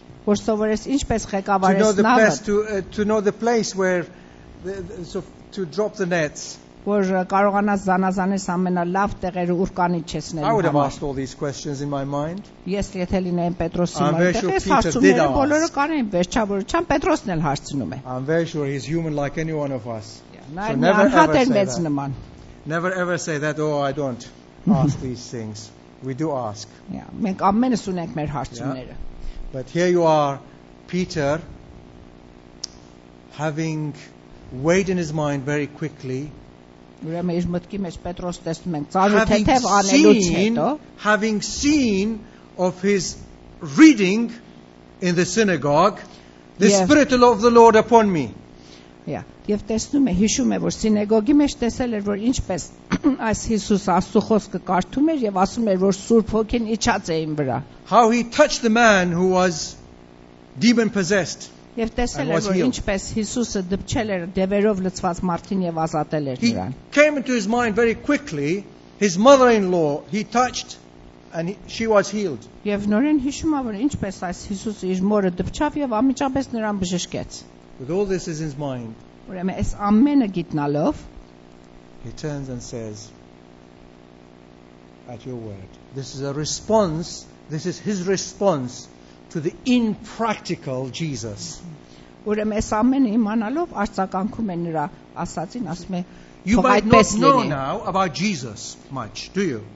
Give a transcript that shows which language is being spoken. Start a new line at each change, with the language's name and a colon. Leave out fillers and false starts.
Armenian: Որ ծովերս ինչպես ղեկավարես նավը։
English: To know the best to know the place where to drop the nets.
Armenian: Որ կարողանաս զանազանես ամենալավ տեղերը ուրկանի չեսնել։
English: I would have asked all these questions in my mind.
Armenian: Ես եթե լինեմ Պետրոսի մարդը, ես հարցումները բոլորը կանեմ, վերջավորությամբ Պետրոսն էլ հարցնում է։
English: I'm very sure he's human like any one of us. So never ever say Never ever say that, oh, I don't ask these things. We do ask.
Armenian: Մենք ամենս ունենք մեր հարցումները։
English: But here you are, Peter, having weighed in his mind very quickly, having seen of his reading in the synagogue, the Spirit of the Lord upon me.
Armenian: Եվ տեսնում է, հիշում է, որ սինեգոգի մեջ տեսել էր, որ ինչպես այս Հիսուս Աստծո խոսքը կարդում էր եւ ասում էր, որ Սուրբ Հոգին իջած է իմ վրա։
English: How he touched the man who was demon possessed.
Armenian: Եվ տեսել էր, որ ինչպես Հիսուսը դպչել էր դևերով լցված մարդին եւ ազատել էր նրան։
English: He came into his mind very quickly, his mother-in-law, he touched and she was healed.
Armenian: Եվ նորեն հիշում է, որ ինչպես այս Հիսուսը իր մորը դպչավ եւ ամիջապես նրան բժշկեց։
English: With all this is in his mind.
Armenian: Ուրեմն ես ամենը գիտնալով
English: He turns and says at your word. This is a response, this is his response to the impractical Jesus. You might not know now about Jesus much, do you?